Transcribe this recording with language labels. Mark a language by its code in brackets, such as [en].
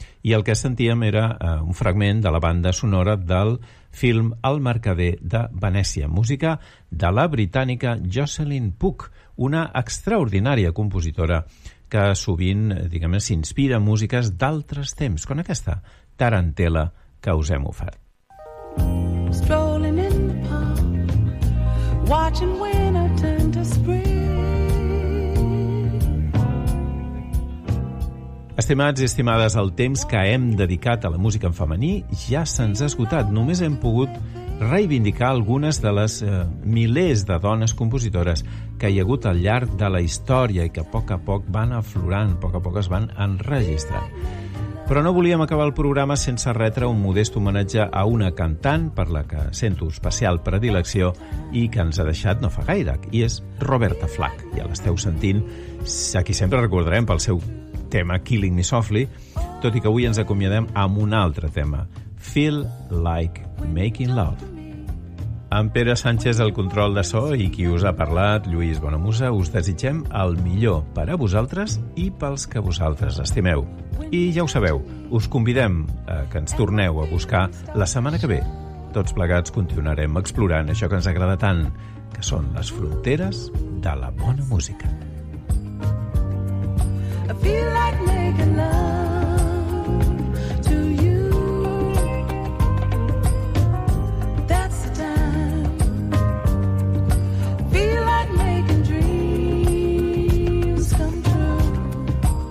[ca] I el que sentíem era un fragment de la banda sonora del film El mercader de Venècia, música de la britànica Jocelyn Pugh, una extraordinària compositora que sovint, diguem-ne, s'inspira en músiques d'altres temps, com aquesta tarantela que us hem ofert. [en] Strolling in the park, watching winter turn to spring. [ca] Estimats i estimades, el temps que hem dedicat a la música en femení ja se'ns ha esgotat. Només hem pogut reivindicar algunes de les milers de dones compositores que hi ha hagut al llarg de la història i que a poc van aflorant, a poc es van enregistrant. Però no volíem acabar el programa sense retre un modest homenatge a una cantant per la que sento especial predilecció i que ens ha deixat no fa gaire, i és Roberta Flack. Ja l'esteu sentint, a qui sempre recordarem pel seu tema Killing Me Softly, tot i que avui ens acomiadem amb un altre tema, Feel Like Making Love. Amb Pere Sánchez al control de so i qui us ha parlat, Lluís Bonamusa, us desitgem el millor per a vosaltres i pels que vosaltres estimeu. I ja ho sabeu, us convidem a que ens torneu a buscar la setmana que ve. Tots plegats continuarem explorant això que ens agrada tant, que són les fronteres de la bona música. [en] I feel like making love to you. That's the time. Feel like making dreams come true.